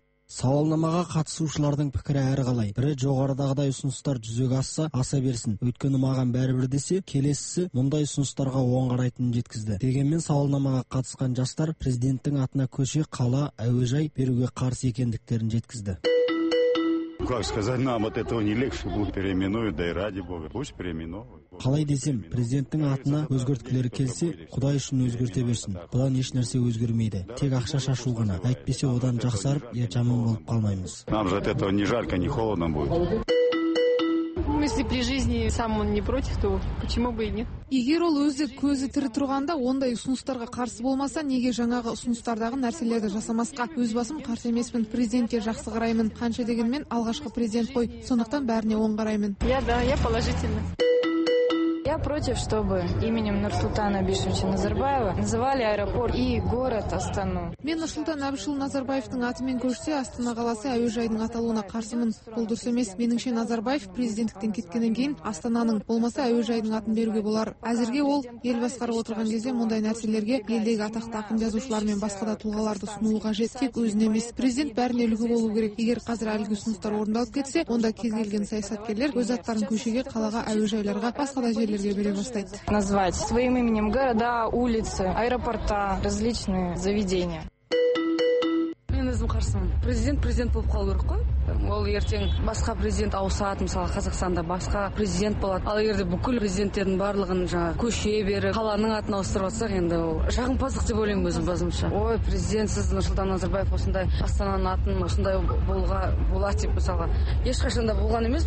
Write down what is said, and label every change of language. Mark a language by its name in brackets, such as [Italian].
[Kazakh] Сауалнамаға қатысушылардың пікірі әр қалай. Бірі жоғарыдағыдай ұсыныстар жүзеге асса аса берсін, өйткені маған бәрібір десе, келесісі мұндай ұсыныстарға оң қарайтынын жеткізді. Дегенмен сауалнамаға қатысқан жастар президенттің атына көше, қала, әуежай беруге қарсы екендіктерін жеткізді. [Russian] Как сказать нам от этого не легче будет переименуют, да и ради бога, пусть переименуют. [Kazakh] Қалай десем, президенттің атына өзгерткілері келсе, Құдай үшін өзгерте берсін. Бұдан еш нәрсе өзгермейді. Тек ақша шашу ғана. Әйтпесе одан жақсарып, я жаман болып қалмаймыз. [Russian] Нам же от этого не жарко, не холодно будет. Если при жизни сам он не против, то почему бы и нет? [Kazakh] Егер ол өзі көзі тірі тұрғанда ондай ұсыныстарға қарсы болмаса, неге жаңағы ұсыныстардағы нәрселерді жасамасқа? Өз басым қарсы емеспін, президентке жақсы қараймын. Қанша дегенмен алғашқы президент қой, сондықтан бәріне оң қараймын. [Russian] Я положительно. Я против, чтобы именем Нұрсұлтана Әбішевича Назарбаева называли аэропорт и город Астану. [Kazakh] Мен Нұрсұлтан Әбішұлы Назарбаевтың атымен көрсе, Астана қаласы әуежайдың аталуына қарсымын. Бұл дұрыс емес. Меніңше Назарбаев президенттіктен кеткеннен кейін Астананың болмаса әуежайдың атын беруге болар. Әзірге ол ел басқарып отырған кезде мұндай нәрселерге елдегі атақты ақын жазушылар мен басқа да тұлғаларды ұсынуы қажет. Тек өзіне емес, президент бәріне үлгі болу керек. Егер қазір әлгі ұсыныстар орындалып кетсе, онда кез келген саясаткерлер өз аттарын көшеге, қалаға, әуежайларға, басқа да [Russian] назвать своим именем города, улицы, аэропорта, различные заведения. [Kazakh] Мен өзім қарсымын. Президент болып қалу керек қой. Ол ертең басқа президент ауысады, мысалы Қазақстанда басқа президент болады. Ал егер де бүкіл президенттердің барлығын жаңа көше беріп, қаланың атын ауыстырып отсақ, енді ол жағымпаздық деп ойлаймын өзім басымша. Ой, президент сіз Нұрсұлтан Назарбаев осындай Астананың атын осындай болуға болады деп мысалы ешқашан да болған емес.